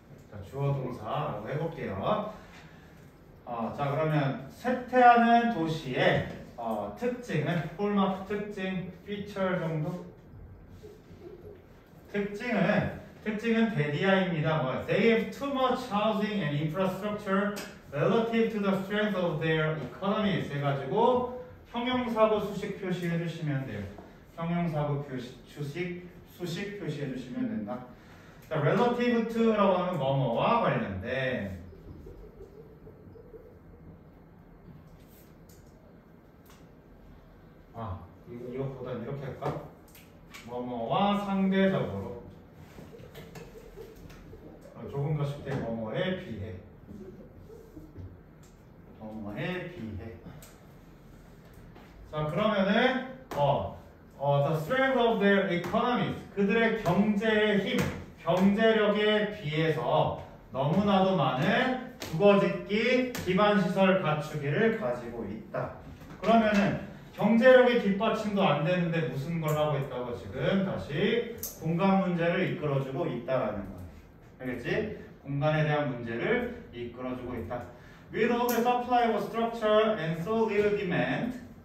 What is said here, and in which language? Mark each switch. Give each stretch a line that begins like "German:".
Korean: 자, 주어 동사라고 해볼게요. 자, 그러면 쇠퇴하는 도시에 특징은 홀마크 특징 피처 정도 특징은 데디아입니다.
English: 뭐, they have too much housing and infrastructure relative to the strength of their economies
Korean: 해가지고 형용사구 수식 표시해 주시면 돼요. 형용사구 표시 주식 수식 표시해 주시면 된다. 자, relative to라고 하면 뭐뭐와 관련돼. 아, 이것보다 이렇게 할까? 뭐뭐와 상대적으로 조금 더 쉽게 뭐뭐에 비해 뭐뭐에 비해. 자, 그러면은
English: the strength of their economies
Korean: 그들의 경제의 힘, 경제력에 비해서 너무나도 많은 주거짓기 기반시설 갖추기를 가지고 있다. 그러면은 경제력이 뒷받침도 안 되는데 무슨 걸 하고 있다고 지금 다시 공간 문제를 이끌어주고 있다라는 거예요. 알겠지? 공간에 대한 문제를 이끌어주고 있다.
English: With all the supply of structure and so little demand.